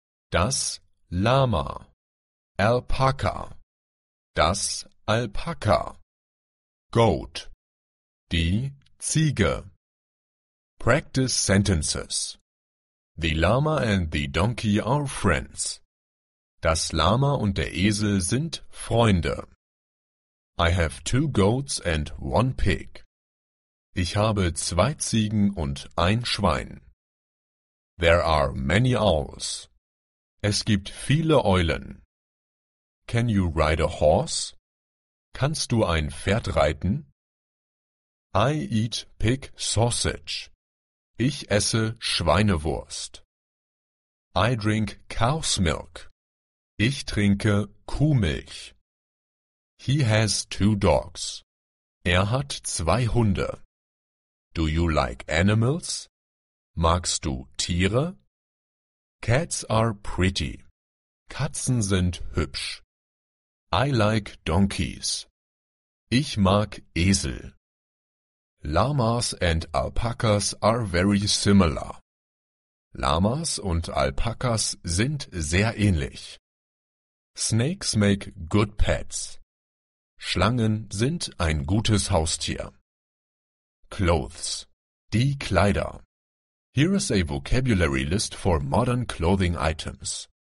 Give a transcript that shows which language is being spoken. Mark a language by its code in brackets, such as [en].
[de] Das Lama. Alpaka. Das Alpaka. Goat. Die Ziege. [en] Practice sentences. The llama and the donkey are friends. [de] Das Lama und der Esel sind Freunde. [en] I have two goats and one pig. [de] Ich habe zwei Ziegen und ein Schwein. [en] There are many owls. [de] Es gibt viele Eulen. [en] Can you ride a horse? [de] Kannst du ein Pferd reiten? [en] I eat pig sausage. [de] Ich esse Schweinewurst. [en] I drink cow's milk. [de] Ich trinke Kuhmilch. [en] He has two dogs. [de] Er hat zwei Hunde. [en] Do you like animals? [de] Magst du Tiere? [en] Cats are pretty. [de] Katzen sind hübsch. [en] I like donkeys. [de] Ich mag Esel. [en] Llamas and alpacas are very similar. [de] Llamas und Alpakas sind sehr ähnlich. [en] Snakes make good pets. [de] Schlangen sind ein gutes Haustier. Clothes. Die Kleider. [en] Here is a vocabulary list for modern clothing items.